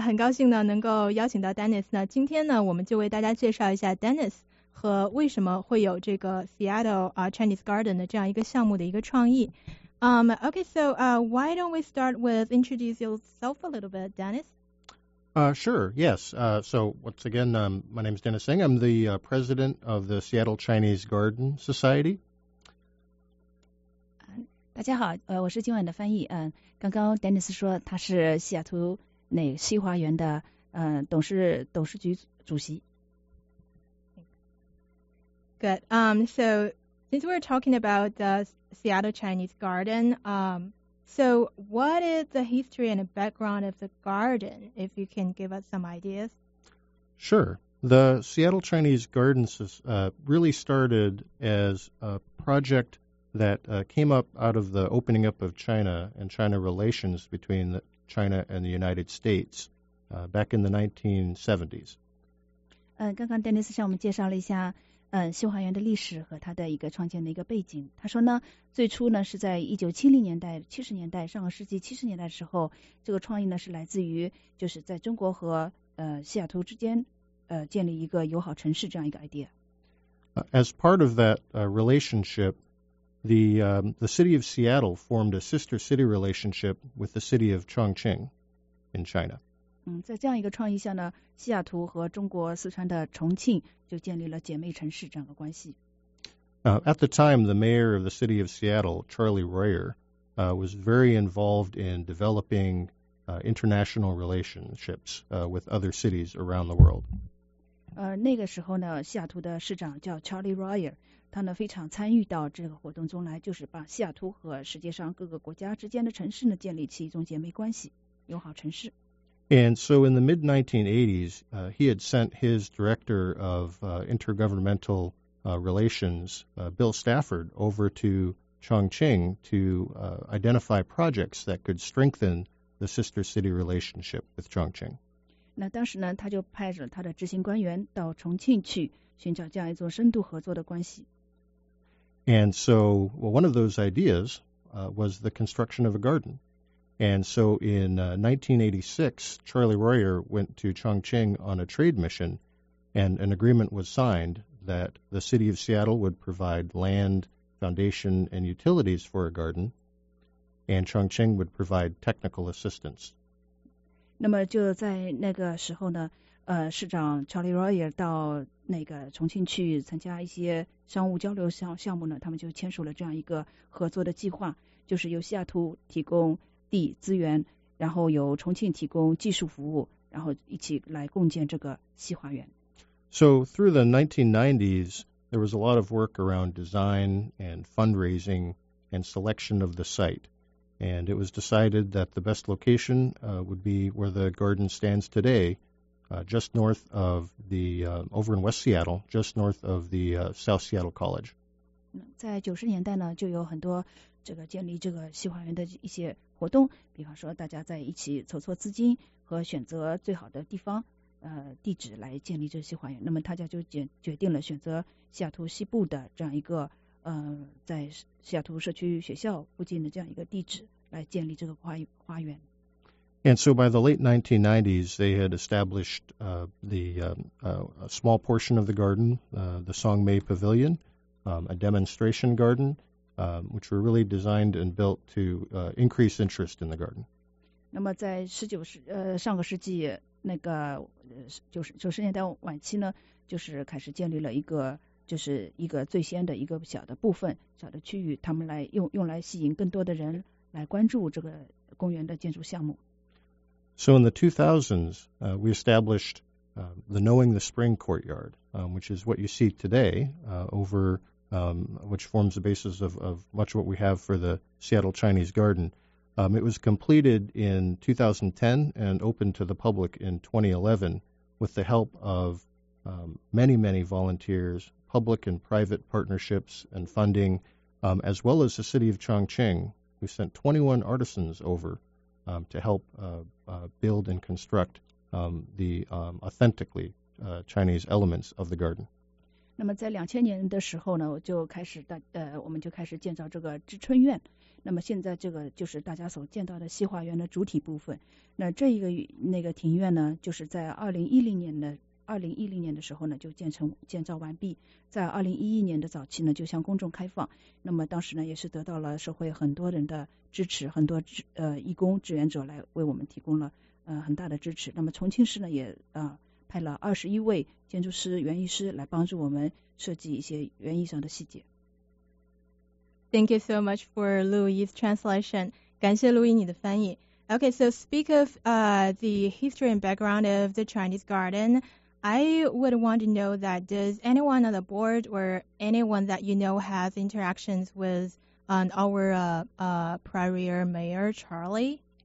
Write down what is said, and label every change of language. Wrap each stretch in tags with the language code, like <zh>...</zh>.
<zh>很高兴呢能够邀请到 Dennis。那今天呢我们就为大家介绍一下 Dennis 和为什么会有这个 Seattle Chinese Garden 的这样一个项目的一个创意。</zh> <en>Why don't we start with introduce yourself a little bit, Dennis? So once again, my name is Dennis Singh. I'm the president of the Seattle Chinese Garden Society.</en> <zh>大家好，我是今晚的翻译。刚刚 Dennis 说他是西雅图那西华园的董事局主席。</zh> <en>Good. Since we're talking about the Seattle Chinese Garden, so what is the history and the background of the garden, if you can give us some ideas? Sure. The Seattle Chinese Gardens really started as a project that came up out of the opening up of China and China relations between China and the United States back in the 1970s.</en> <zh>刚刚 Dennis 向我们介绍了一下西华园的历史和它的一个创建的一个背景。他说呢，最初呢是在1970年代上个世纪70年代的时候，这个创意呢是来自于就是在中国和西雅图之间建立一个友好城市这样一个 idea。</zh> <en>As part of that relationship, the city of Seattle formed a sister city relationship with the city of Chongqing in China.</en> <zh>在这样一个创意下呢，西雅图和中国四川的重庆就建立了姐妹城市这样的关系。</zh> <en>At the time, the mayor of the city of Seattle, Charlie Royer, was very involved in developing international relationships with other cities around the world.</en> <zh>那个时候呢，西雅图的市长叫 Charlie Royer， 他呢非常参与到这个活动中来，就是把西雅图和世界上各个国家之间的城市呢建立起一种姐妹关系，友好城市。</zh> <en>And so in the mid-1980s, he had sent his director of intergovernmental relations, Bill Stafford, over to Chongqing to identify projects that could strengthen the sister city relationship with Chongqing.</en> <zh>那当时呢，他就派了他的执行官员到重庆去寻找这样一种深度合作的关系。</zh> <en>And so, well, one of those ideas was the construction of a garden. And so in 1986, Charlie Royer went to Chongqing on a trade mission, and an agreement was signed that the city of Seattle would provide land, foundation, and utilities for a garden, and Chongqing would provide technical assistance.</en> <zh>那么就在那个时候呢，市长 Charlie Royer 到那个重庆去参加一些商务交流项目呢，他们就签署了这样一个合作的计划，就是由西雅图提供地资源，然后由重庆提供技术服务，然后一起来共建这个西华园。</zh> <en>So through the 1990s, there was a lot of work around design and fundraising and selection of the site. And it was decided that the best location would be where the garden stands today, just north of the, over in West Seattle, just north of the South Seattle College.</en> <zh>在90年代呢，就有很多这个建立这个西华园的一些活动，比方说大家在一起筹措资金和选择最好的地方地址来建立这西华园。那么大家就决定了选择西雅图西部的这样一个在西雅图社区学校附近的这样一个地址来建立这个花园。</zh> <en>And so by the late 1990s, they had established a small portion of the garden, the Song Mei Pavilion, a demonstration garden,which were really designed and built to increase interest in the garden.</en> <zh>那么在上个世纪那个九十年代晚期呢，就是开始建立了一个就是一个最先的一个小的部分小的区域，他们来用来吸引更多的人来关注这个公园的建筑项目。</zh> <en>So in the 2000s, we established the Knowing the Spring Courtyard, which is what you see today over. Which forms the basis of much what we have for the Seattle Chinese Garden. It was completed in 2010 and opened to the public in 2011 with the help of many, many volunteers, public and private partnerships and funding, as well as the city of Chongqing, who sent 21 artisans over to help build and construct the authentically Chinese elements of the garden.</en> <zh>那么在2000年的时候呢，就开始我们就开始建造这个知春院。那么现在这个就是大家所见到的西花园的主体部分。那这一个那个庭院呢，就是在2010年的时候呢就建造完毕，在2011年的早期呢就向公众开放。那么当时呢也是得到了社会很多人的支持，很多义工志愿者来为我们提供了很大的支持。那么重庆市呢也派了21位建筑师、园艺师来帮助我们设计一些园艺上的细节。</zh> <en>Thank you so much for Lu Yi's translation.</en> <zh>感谢 Lu Yi 你的翻译。</zh> <en>Okay, so speak of the history and background of the Chinese garden, I would want to know that does anyone on the board or anyone that you know has interactions with our prior mayor, Charlie?</en>